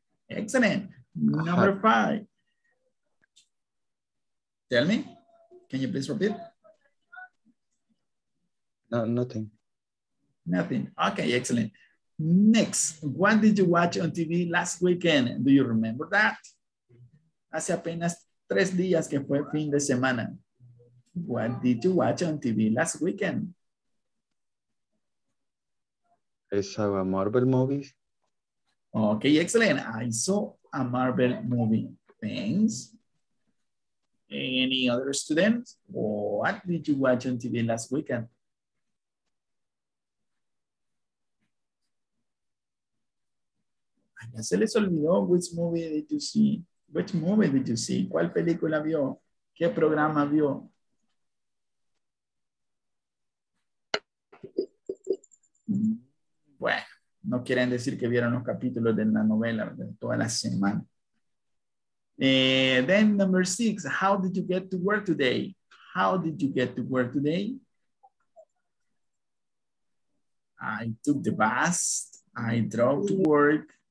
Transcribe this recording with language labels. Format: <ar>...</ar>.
<en>Excellent. Number five. Tell me, can you please repeat? No, nothing. Nothing. Okay, excellent. Next, what did you watch on TV last weekend? Do you remember that?</en> <es>Hace apenas 3 días que fue fin de semana.</es> <en>What did you watch on TV last weekend? I saw a Marvel movie. Okay, excellent. I saw a Marvel movie. Thanks. Any other students? What did you watch on TV last weekend?</en> <es>Ya se les olvidó,</es> <en>which movie did you see? Which movie did you see?</en> <es>¿Cuál película vio? ¿Qué programa vio? Bueno, no quieren decir que vieron los capítulos de la novela de toda la semana.</es> <en>Then number six, how did you get to work today? How did you get to work today? I took the bus, I drove to work.</en>